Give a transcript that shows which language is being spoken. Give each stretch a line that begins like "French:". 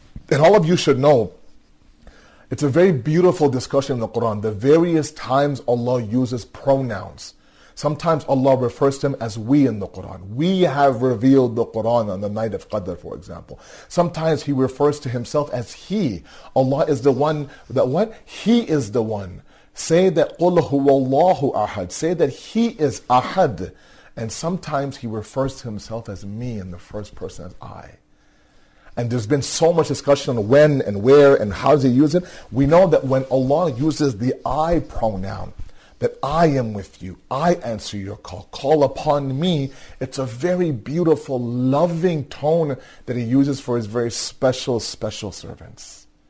English: And all of you should know, it's a very beautiful discussion in the Quran. The various times Allah uses pronouns. Sometimes Allah refers to them as we in the Quran. We have revealed the Quran on the night of Qadr, for example. Sometimes He refers to Himself as He. Allah is the one that what? He is the one. Say that
Arabic: قُلْ هُوَ اللَّهُ أَحَدْ.
English: Say that He is Ahad. And sometimes He refers to Himself as me in the first person as I. And there's been so much discussion on when and where and how does He use it. We know that when Allah uses the I pronoun, that I am with you, I answer your call, call upon me, it's a very beautiful, loving tone that He uses for His very special, special servants.